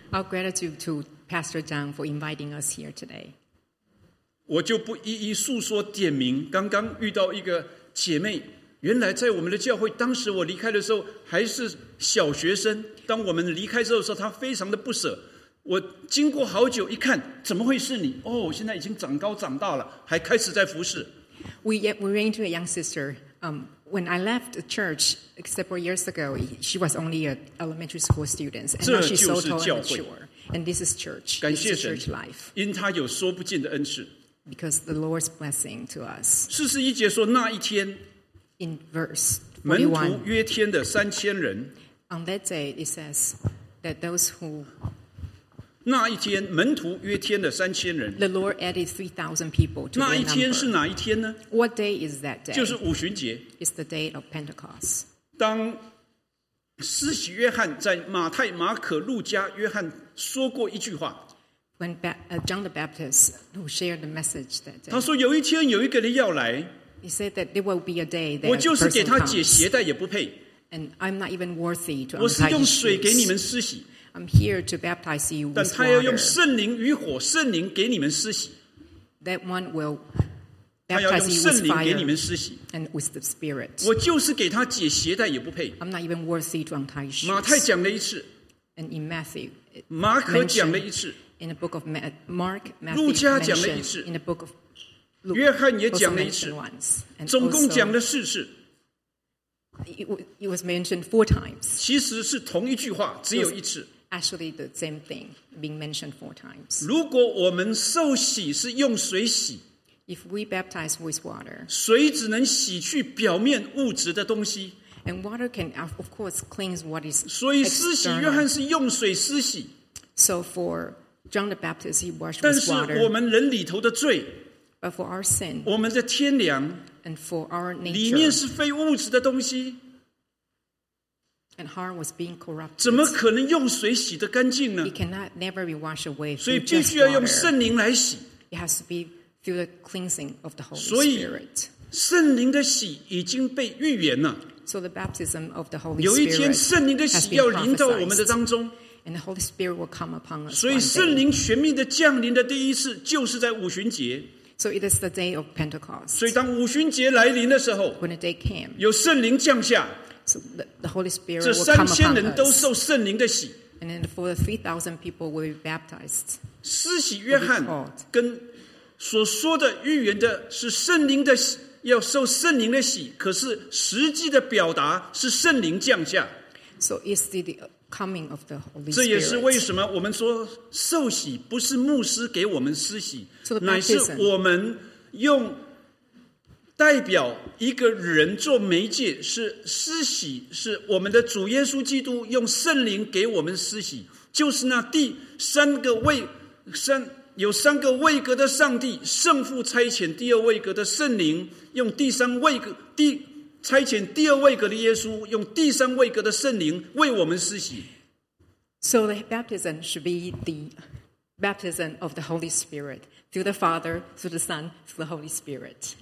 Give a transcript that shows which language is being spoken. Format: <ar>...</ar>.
<en>Our gratitude to Pastor Zhang for inviting us here today.</en> <zh>我就不一一诉说点名，刚刚遇到一个姐妹，原来在我们的教会，当时我离开的时候还是小学生，当我们离开之后的时候，她非常的不舍。我经过好久一看，怎么会是你？哦，现在已经长高长大了，还开始在服侍。</zh> <en>We ran into a young sister. When I left the church several years ago, she was only an elementary school student, and now she's so tall and mature. And this is church. This is church life.</en> <zh>因她有说不尽的恩赐。</zh> <en>Because the Lord's blessing to us.</en> <zh>四十一节说那一天。</zh> <en>In verse 41,</en> <zh>门徒约天的三千人。</zh> <en>On that day, it says that those who</en> <zh>那一天门徒约天的三千人。</zh> <en>The Lord added 3,000 people to their number.</en> <zh>那一天是哪一天呢？</zh> <en>What day is that day?</en> <zh>就是五旬节。</zh> <en>It's the day of Pentecost.</en> <zh>当施洗约翰在马太、马可、路加、约翰说过一句话。</zh> <en>When John the Baptist who shared the message that day.</en> <zh>他说有一天有一个人要来。</zh> <en>He said that there will be a day that</en> <zh>我就是给他解鞋带也不配。</zh> <en>And I'm not even worthy to untie his</en> <zh>shoes. 我是用水给你们施洗。</zh> <en>I'm here to baptize you with water.</en> <zh>但他要用圣灵与火，圣灵给你们施洗。</zh> <en>That one will baptize you with fire.</en> <zh>他要用圣灵给你们施洗。</zh> <en>And with the Spirit.</en> <zh>我就是给他解鞋带也不配。</zh> <en>I'm not even worthy to untie his shoes.</en> <zh>马太讲了一次。</zh> <en>And in Matthew,</en> <zh>马可讲了一次。</zh> <en>In the book of Mark, Matthew,</en> <zh>路加讲了一次。</zh> <en>In the book of</en> <zh>Luke, 约翰也讲了一次。总共讲了四次。</zh> <en>It was mentioned four times.</en> <zh>其实是同一句话，只有一次。</zh> <en>Actually, the same thing being mentioned four times.</en> <zh>如果我们受洗是用水洗，</zh> <en>if we baptize with water,</en> <zh>水只能洗去表面物质的东西。</zh> <en>And water can, of course, cleanse what is.</en> <zh>所以施洗约翰是用水施洗。</zh> <en>So for John the Baptist, he washed with water.</en> <zh>但是我们人里头的罪，</zh> <en>but for our sin,</en> <zh>我们的天良，</zh> <en>and for our nature,</en> <zh>里面是非物质的东西。</zh> <en>And heart was being corrupted.</en> <zh>怎么可能用水洗得干净呢？</zh> <en>It cannot never be washed away.</en> <zh>所以必须要用圣灵来洗。</zh> <en>It has to be through the cleansing of the Holy Spirit.</en> <zh>所以圣灵的洗已经被预言了。</zh> <en>So the baptism of the Holy Spirit.</en> <zh>有一天圣灵的洗要临到我们的当中。</zh> <en>And the Holy Spirit will come upon us.</en> <zh>所以圣灵全面的降临的第一次就是在五旬节。</zh> <en>So it is the day of Pentecost.</en> <zh>所以当五旬节来临的时候，</zh> <en>when the day came,</en> <zh>有圣灵降下。</zh> <en>So the Holy Spirit will come upon us.</en> <zh>这三千人都受圣灵的洗。</zh> <en>And then for the 3,000 people will be baptized.</en> <zh>施洗约翰跟所说的预言的是圣灵的洗，要受圣灵的洗，可是实际的表达是圣灵降下。</zh> <en>So it's the coming of the Holy Spirit.</en> <zh>这也是为什么我们说受洗不是牧师给我们施洗，乃是我们用代表一个人做媒介，是施洗，是我们的主耶稣基督用圣灵给我们施洗，就是那第三个位，有三个位格的上帝，圣父差遣第二位格的圣灵，用第三位格，差遣第二位格的耶稣，用第三位格的圣灵为我们施洗。</zh> <en>So the baptism should be the baptism of the Holy Spirit. Through the Father, through the Son, through the Holy Spirit.</en>